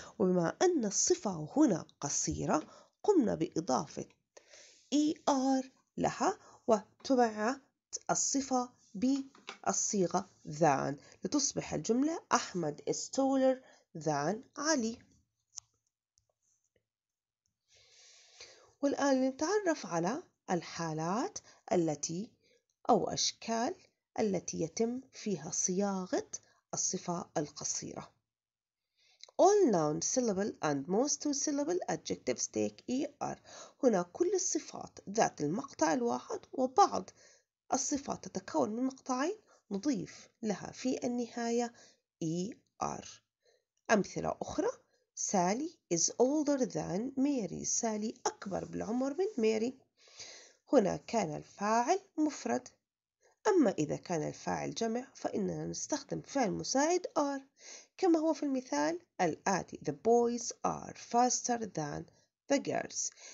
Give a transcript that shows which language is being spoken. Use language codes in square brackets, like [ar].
[ar] وبما أن الصفة هنا قصيرة قمنا بإضافة ER لها وتبعت الصفة بالصيغة than لتصبح الجملة أحمد [en] is taller than [ar] علي. والآن لنتعرف على الحالات التي أو أشكال التي يتم فيها صياغة الصفة القصيرة. [en] All noun syllable and most two syllable adjectives take ER. [ar] هنا كل الصفات ذات المقطع الواحد وبعض الصفات تتكون من مقطعين نضيف لها في النهاية ER. أمثلة أخرى: [en] Sally is older than Mary. [ar] سالي أكبر بالعمر من ماري. هنا كان الفاعل مفرد، أما إذا كان الفاعل جمع فإننا نستخدم فعل مساعد are كما هو في المثال الآتي: [en] The boys are faster than the girls.